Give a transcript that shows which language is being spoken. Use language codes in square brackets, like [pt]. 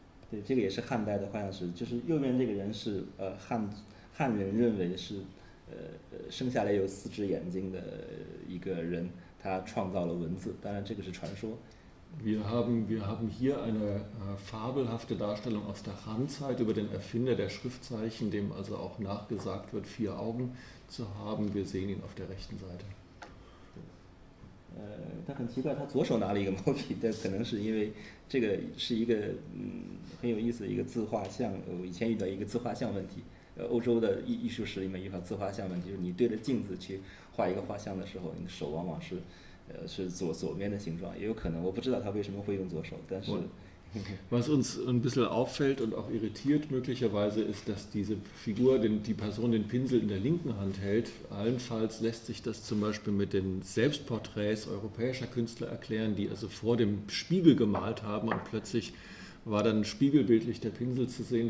[zh] 对，这个也是汉代的画像石，就是右边这个人是汉人认为是生下来有四只眼睛的一个人，他创造了文字，当然这个是传说。 [de] Wir haben hier eine fabelhafte Darstellung aus der Han-Zeit über den Erfinder der Schriftzeichen, dem also auch nachgesagt wird, vier Augen zu haben. Wir sehen ihn auf der rechten Seite. [zh] 他很奇怪，他左手拿了一个毛笔，但可能是因为这个是一个很有意思的一个自画像。我以前遇到一个自画像问题，欧洲的艺术史里面遇到自画像问题，就是你对着镜子去画一个画像的时候，你的手往往是左面的形状，也有可能我不知道他为什么会用左手，但是。 [de] Was uns ein bisschen auffällt und auch irritiert möglicherweise ist, dass diese Figur, die Person den Pinsel in der linken Hand hält. Allenfalls lässt sich das zum Beispiel mit den Selbstporträts europäischer Künstler erklären, die also vor dem Spiegel gemalt haben und plötzlich war dann spiegelbildlich der Pinsel zu sehen.